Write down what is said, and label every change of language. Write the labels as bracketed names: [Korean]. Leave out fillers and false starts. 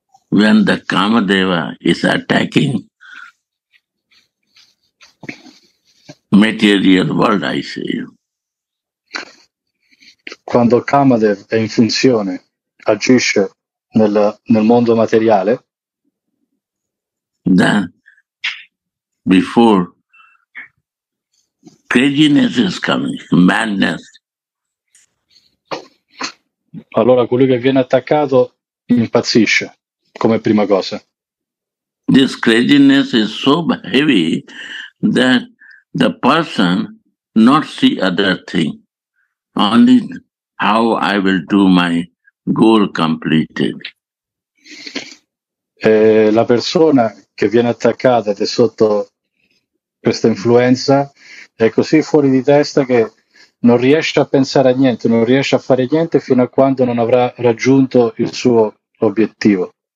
[English] When the Kamadeva is attacking material world, I say. [Italian] Quando Kamadev è in funzione, agisce nel mondo materiale. [English] Then, before, craziness is coming, madness. [Italian] Allora colui che viene attaccato impazzisce. Come prima cosa. [English] This craziness is so heavy that the person not see other thing, only how I will do my goal completed. [Italian] La persona che viene attaccata ed è sotto questa influenza è così fuori di testa che non riesce a pensare a niente, non riesce a fare niente fino a quando non avrà raggiunto il suo obiettivo.